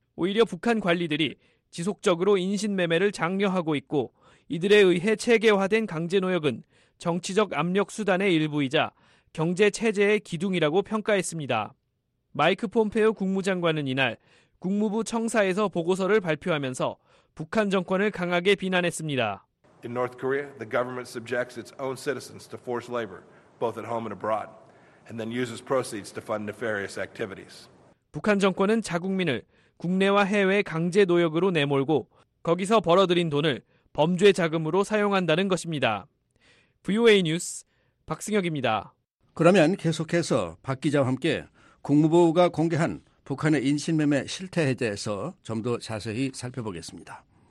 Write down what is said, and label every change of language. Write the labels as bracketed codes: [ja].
[ko] 오히려 북한 관리들이 지속적으로 인신매매를 장려하고 있고 이들에 의해 체계화된 강제노역은 정치적 압력 수단의 일부이자 경제체제의 기둥이라고 평가했습니다. 마이크 폼페오 국무장관은 이날 국무부 청사에서 보고서를 발표하면서 북한 정권을 강하게 비난했습니다. [en] In North Korea, the government subjects its own citizens to forced labor, both at home and abroad, and then uses proceeds to fund nefarious activities. [ko] 북한 정권은 자국민을 국내와 해외 강제 노역으로 내몰고 거기서 벌어들인 돈을 범죄 자금으로 사용한다는 것입니다. VOA 뉴스 박승혁입니다. 그러면 계속해서 박 기자와 함께 국무부가 공개한 북한의 인신매매 실태에 대해서 좀 더 자세히 살펴보겠습니다.